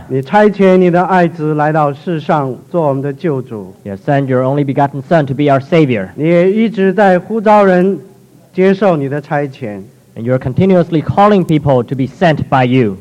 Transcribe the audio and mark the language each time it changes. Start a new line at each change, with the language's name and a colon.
Chinese: 你差遣你的爱子来到世上,
English: you have sent your only begotten Son to be our Savior.
Chinese: 你也一直在呼召人接受你的差遣,
English: and you're continuously calling people to be sent by you.